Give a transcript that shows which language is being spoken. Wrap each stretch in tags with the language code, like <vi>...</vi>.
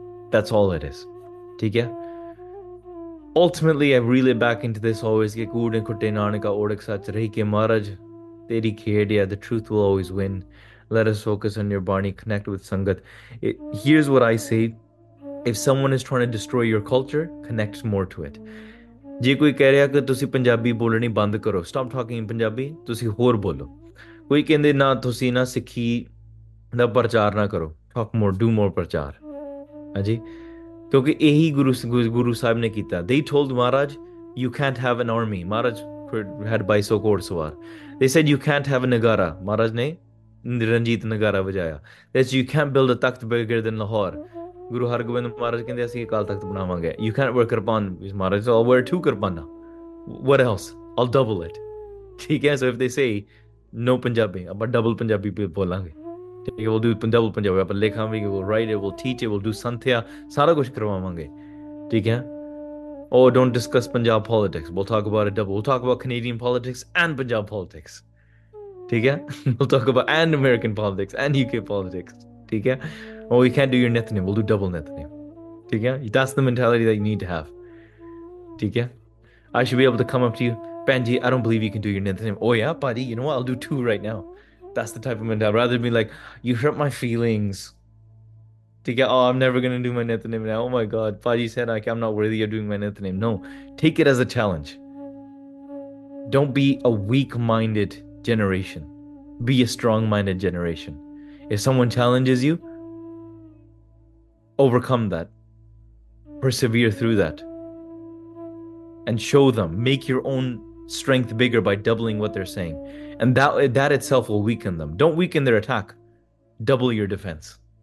<en>That's all it is, okay? Ultimately, I reel it back into this always. The truth will always win. Let us focus on your Barney, connect with Sangat. Here's what I say. If someone is trying to destroy your culture, connect more to it.</en> <pa>ਜੇ ਕੋਈ ਕਹਿ ਰਿਹਾ ਕਿ ਤੁਸੀਂ ਪੰਜਾਬੀ ਬੋਲਣੀ ਬੰਦ ਕਰੋ,</pa> <en>stop talking Punjabi,</en> <pa>ਤੁਸੀਂ ਹੋਰ ਬੋਲੋ। ਕੋਈ ਕਹਿੰਦੇ ਨਾ ਤੁਸੀਂ ਨਾ ਸਿੱਖੀ ਦਾ ਪ੍ਰਚਾਰ ਨਾ ਕਰੋ,</pa> <en>talk more, do more</en> <pa>ਪ੍ਰਚਾਰ। ਹਾਂਜੀ, ਕਿਉਂਕਿ ਇਹੀ ਗੁਰੂ ਸਾਹਿਬ ਨੇ ਕੀਤਾ।</pa> <en>They told Maharaj you can't have an army, Maharaj had 2200 ਘੋੜ ਸਵਾਰ। They said you can't have a ਨਗਾਰਾ,</en> <pa>ਮਹਾਰਾਜ ਨੇ ਰਣਜੀਤ ਨਗਾਰਾ ਵਜਾਇਆ।</pa> <en>they said you can't build a ਤਖਤ bigger than Lahore, Guru Har Gobind Maharaj</en> <pa>kehnde assi akal takht banawange.</pa> <en>You can't wear kirpan, Maharaj, so I'll wear two kirpana. What else? I'll double it.</en> <pa>Theek hai,</pa> <en>so if they say no Punjabi, but double Punjabi</en> <pa>bolange.</pa> <en>Theek hai, we'll do double Punjabi, but likhange, we'll write it, we'll teach it, we'll do santhya,</en> <pa>sara kuch karwawange.</pa> <en>Theek hai? Oh, don't discuss Punjab politics. We'll talk about it double. We'll talk about Canadian politics and Punjab politics. Theek hai? We'll talk about and American politics and UK politics. Theek hai? Oh, you can't do your nithnim. We'll do double nithnim. That's the mentality that you need to have. I should be able to come up to you, Panji, I don't believe you can do your nithnim. Oh yeah, buddy, you know what? I'll do two right now. That's the type of mentality. Rather than be like, you hurt my feelings. ਠੀਕ ਹੈ, oh I'm never going to do my nitnem now, oh my god ਪਾਜੀ said I am not worthy of doing my nitnem, no take it as a challenge, don't be a weak minded generation, be a strong minded generation, if someone challenges you overcome that, persevere through that and show them, make your own strength bigger by doubling what they're saying, and that itself will weaken them, don't weaken their attack, double your defence.</en>